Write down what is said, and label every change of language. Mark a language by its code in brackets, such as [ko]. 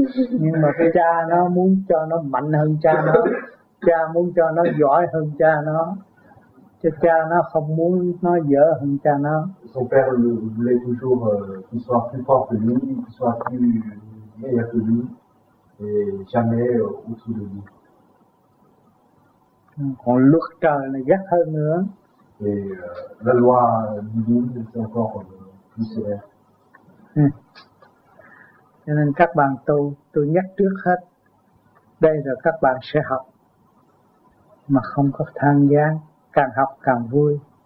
[vi] Nhưng mà cái cha nó muốn cho nó mạnh hơn cha nó, cha muốn cho nó giỏi hơn cha nó, chứ cha nó không muốn nó dở hơn cha nó. [fr] Son père voulait toujours qu'il soit plus fort que lui, qu'il soit plus meilleur que lui, et jamais au-dessus de lui. [vi] Còn luật trời này gắt hơn nữa. Thì [fr] la loi divine c'est encore plus sévère. [vi] Cho nên các bạn tu, tôi nhắc trước hết, đây là các bạn sẽ học mà không có than vãn, càng học càng vui.